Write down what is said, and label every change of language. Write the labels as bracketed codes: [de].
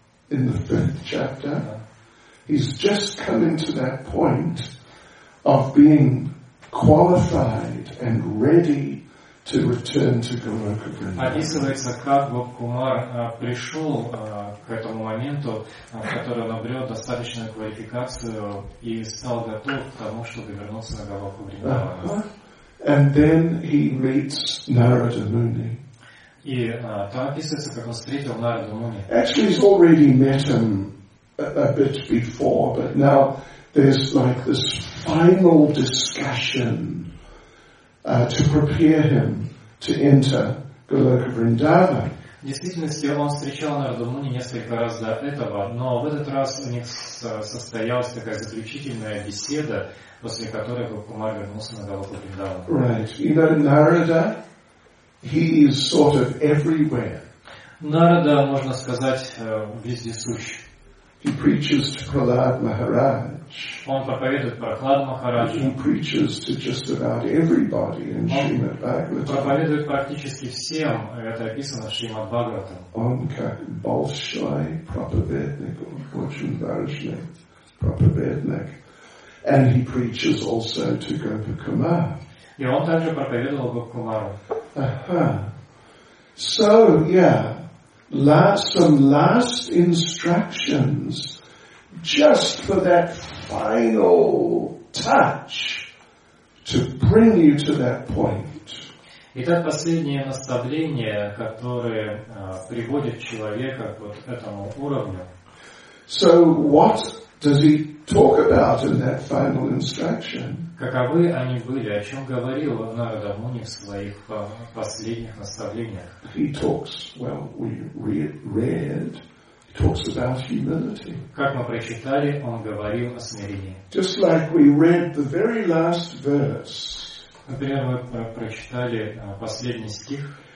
[en] in the fifth chapter, he's just coming to that point of being qualified and ready to return to Goloka Vrindavan. [ru] Описывается, как Гопкумар пришел к этому моменту, в который он обрел достаточную квалификацию и стал готов к тому, чтобы вернуться на Голоку Вриндавана. [en] And then he meets Narada Muni. [ru] И там описывается, как он встретил Нараду Муни. [en] Actually, he's already met him a bit before, but now there's like this final discussion to prepare him to enter Goloka Vrindavan. [ru] В действительности он встречал Нараду Муни несколько раз до этого, но в этот раз у них состоялась такая заключительная беседа, после которой Гопкумар вернулся на Голоку Вриндавана. [en] Right. You know, Narada, he is sort of everywhere. [ru] Нарада, можно сказать, вездесущ. [en] He preaches to Prahlad Maharaj. [ru] Он проповедует Прохлад Махарадж. [en] He preaches to just about everybody in Srimad Bhagavatam. [ru] Проповедует практически всем, это описано в Шримад Бхагаватам. Он как большой проповедник, очень важный проповедник. [en] And he preaches also to Gopakumar. [ru] И он также проповедовал Гопкумару. [en] So, yeah, some last instructions just for that final touch to bring you to that point. [ru] Итак, последнее наставление, которое приводит человека к вот этому уровню. [en] So, what does he talk about in that final instruction? [ru] Каковы они были, о чем говорил Нарада Муни в своих последних наставлениях? [en] He talks, well, we read, he talks about humility. [ru] Как мы прочитали, он говорил о смирении. [en] Just like we read the very last verse. [ru] Например, мы прочитали последний стих.